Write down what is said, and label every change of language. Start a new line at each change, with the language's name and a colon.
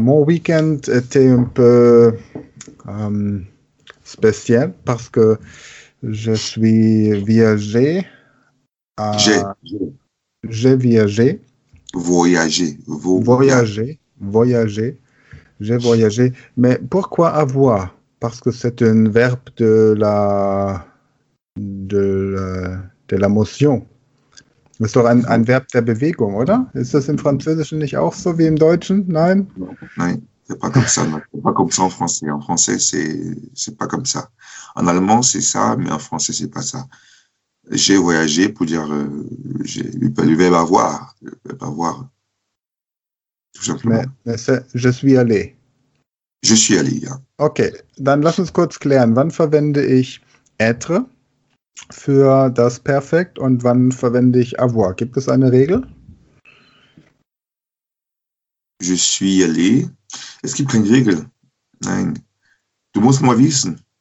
French: Mon week-end était un peu spécial parce que je suis viagé à j'ai viagé voyagé voyagé j'ai voyagé. Mais pourquoi avoir? Parce que c'est un verbe de la motion. C'est un verbe de
German: bewegung, oder? Ist das im Französischen nicht auch so wie im Deutschen? Nein?
French: Non, c'est pas comme ça. C'est pas comme ça en français. En français, c'est pas comme ça. En allemand, c'est ça, mais en français, c'est pas ça. J'ai voyagé pour dire le verbe avoir, le verbe avoir, tout Mais simplement. je suis allé. Je suis allé. Hein.
German: Ok, dann lass uns kurz klären. Wann verwende ich être für das Perfekt und wann verwende ich avoir? Gibt es eine Regel?
French: Je suis allé.
German: Es gibt keine Regel. Nein. Du musst mal wissen.